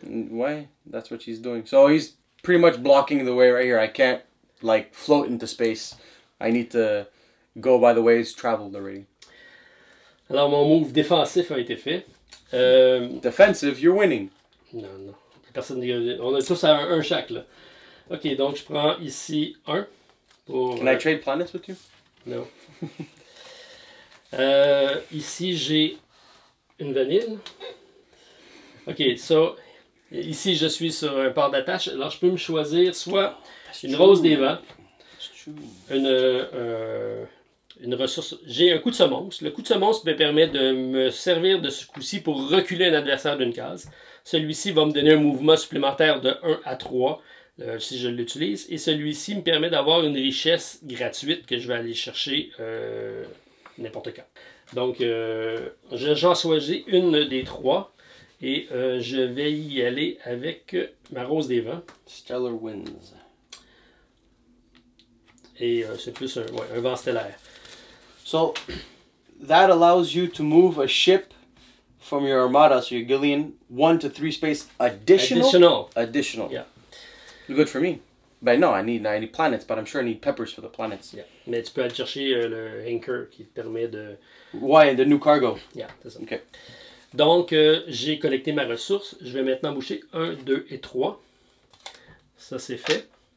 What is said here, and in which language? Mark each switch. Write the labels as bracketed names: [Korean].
[English] Ouais, that's what she's doing. So he's pretty much blocking the way right here. I can't like float into space. I need to go by the way it's traveled already. [French] Alors mon move défensif a été fait. [English] Defensive, you're winning. [French] Non, non. Personne n'y a... On a tous un chaque là. Ok, donc je prends ici un. [English] Pour, Can I trade planets with you? No. [French] ici j'ai une vanille. Ok, so ici je suis sur un port d'attache. Alors je peux me choisir soit une rose des vents. Une ressource. J'ai un coup de semonce. Le coup de semonce me permet de me servir de ce coup-ci pour reculer un adversaire d'une case. Celui-ci va me donner un mouvement supplémentaire de 1 à 3 si je l'utilise. Et celui-ci me permet d'avoir une richesse gratuite que je vais aller chercher n'importe quand. Donc, j'en choisis une des trois. Et je vais y aller avec ma rose des vents. [English] Stellar Winds. [French] Et c'est plus un, ouais, un vent stellaire. [English] So, that allows you to move a ship from your armada, so your galleon, 1 to 3 space additional? Additional. Additional. Yeah. Good for me. But no, I need 90 planets, but I'm sure I need peppers for the planets. Yeah. [French] Mais tu peux aller chercher le anchor qui te permet de... [English] Why, the new cargo. Yeah, that's it. Okay. [French] Donc, j'ai collecté ma ressource. Je vais maintenant boucher 1, 2 et 3. Ça, c'est fait.